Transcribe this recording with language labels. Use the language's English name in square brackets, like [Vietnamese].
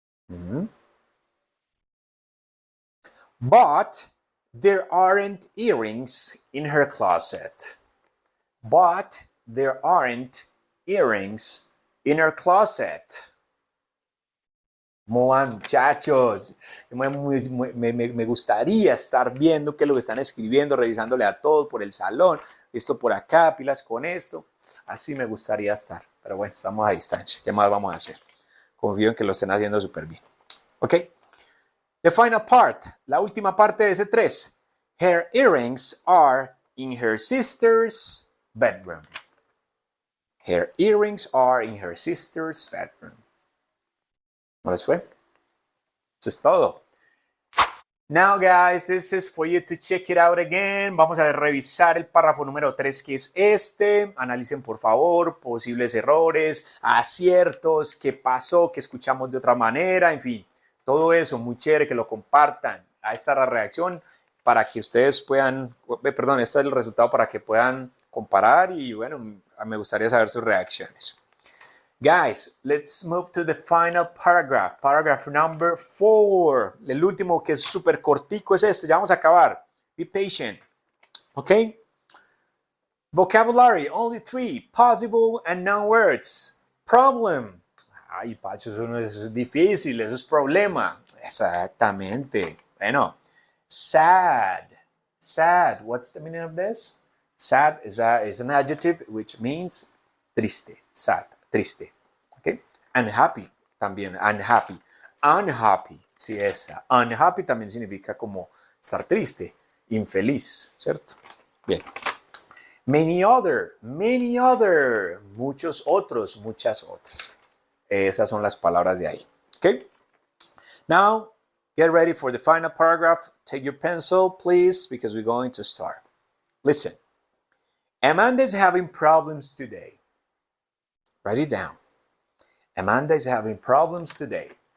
[English] Mm-hmm. But there aren't earrings in her closet. But there aren't earrings in her closet. [Spanish] Muchachos, me gustaría estar viendo qué es lo que están escribiendo, revisándole a todos por el salón, esto por acá, pilas con esto. Así me gustaría estar. Pero bueno, estamos a distancia. ¿Qué más vamos a hacer? Confío en que lo estén haciendo súper bien. Ok. [English] The final part, [Spanish] la última parte de ese 3. [English] Her earrings are in her sister's bedroom. Her earrings are in her sister's bedroom. [Spanish] ¿No les fue? Eso es todo. [English] Now, guys, this is for you to check it out again. [Spanish] Vamos a revisar el párrafo número 3, que es este. Analicen, por favor, posibles errores, aciertos, qué pasó, qué escuchamos de otra manera, en fin. Todo eso, muy chévere, que lo compartan. Ahí está la reacción para que ustedes puedan, perdón, este es el resultado para que puedan comparar y, bueno, me gustaría saber sus reacciones. [English] Guys, let's move to the final paragraph. Paragraph number 4. [Spanish] El último que es súper cortico es este. Ya vamos a acabar. [English] Be patient. Okay? Vocabulary. Only 3. Possible and known words. [Spanish] Problem. Ay, Pacho, eso no es difícil. Eso es problema. Exactamente. Bueno. Sad. Sad. [English] What's the meaning of this? Sad is an adjective which means triste. Sad. Triste. Okay. Unhappy también. Unhappy. Unhappy. [Spanish] Sí, esa. Unhappy también significa como estar triste, infeliz, ¿cierto? Bien. [English] Many other. Many other. [Spanish] Muchos otros, muchas otras. Esas son las palabras de ahí. [English] Okay. Now, get ready for the final paragraph. Take your pencil, please, because we're going to start. Listen. Amanda is having problems today. Write it down. Amanda is having problems today.